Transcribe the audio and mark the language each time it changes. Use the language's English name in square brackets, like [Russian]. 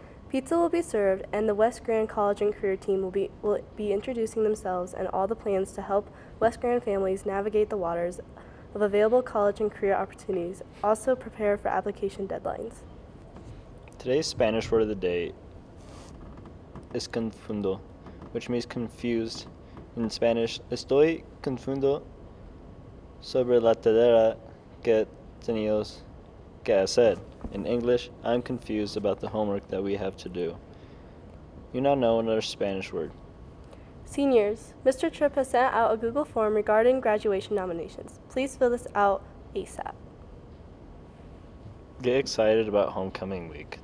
[English] Pizza will be served and the West Grand College and Career Team will be introducing themselves and all the plans to help West Grand families navigate the waters of available college and career opportunities. Also prepare for application deadlines. Today's Spanish word of the day is confundo, which means confused. In Spanish, [Spanish] estoy confundo sobre la tarea que teníamos que hacer. [English] In English, I'm confused about the homework that we have to do. You now know another Spanish word. Seniors, Mr. Tripp has sent out a Google form regarding graduation nominations. Please fill this out ASAP. Get excited about homecoming week.